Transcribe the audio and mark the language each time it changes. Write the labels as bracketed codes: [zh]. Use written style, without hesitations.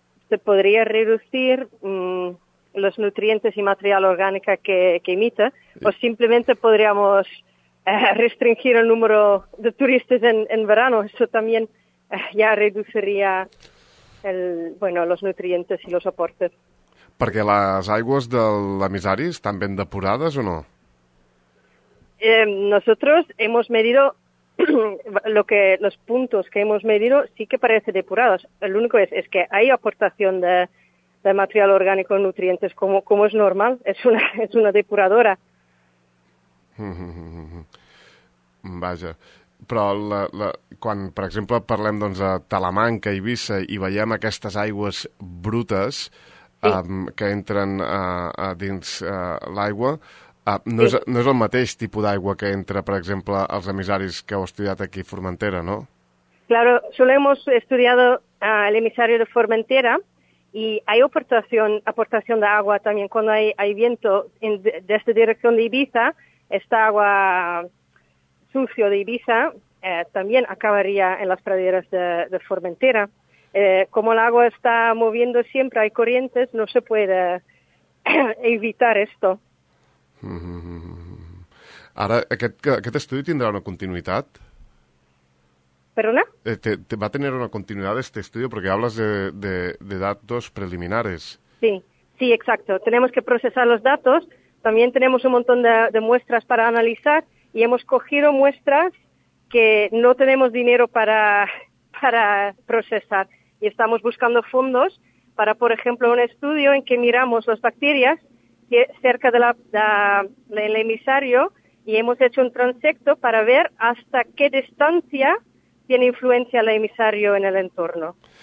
[es] Se podria reducir los nutrientes y material orgánica que emite, o simplemente podríamos restringir el número de turistas en verano. Eso también ya reduciría los nutrientes y los aportes. [ca] Perquè les aigües de l'emissari estan ben depurades o no? [es] Nosotros hemos medido los puntos que hemos medido sí que parece depuradas. El único es que hay aportación de material orgánico y nutrientes como es normal. Es una depuradora. [ca] Vaja. Però quan, per exemple, parlem, doncs, de Talamanca, Eivissa, i veiem aquestes aigües brutes, que entren a dins l'aigua. No és el mateix tipus d'aigua que entra, per exemple, als emissaris que heu estudiat aquí a Formentera, no? [es] Claro, solo hemos estudiado el emisario de Formentera y hay aportación de agua también cuando hay viento de esta dirección de Ibiza. Esta agua sucio de Ibiza también acabaría en las praderas de Formentera. Como el agua está moviendo siempre, hay corrientes, no se puede evitar esto. [ca] Ara, aquest estudi tindrà una continuïtat? Perdona? [es] Va a tener una [ca] continuïtat aquest estudi, perquè [es] hables de datos preliminares. Sí, exacto. Tenemos que procesar los datos. También tenemos un montón de muestras para analizar y hemos cogido muestras que no tenemos dinero para procesar. Y estamos buscando fondos para, por ejemplo, un estudio en que miramos las bacterias cerca de del emisario y hemos hecho un transecto para ver hasta qué distancia tiene influencia el emisario en el entorno.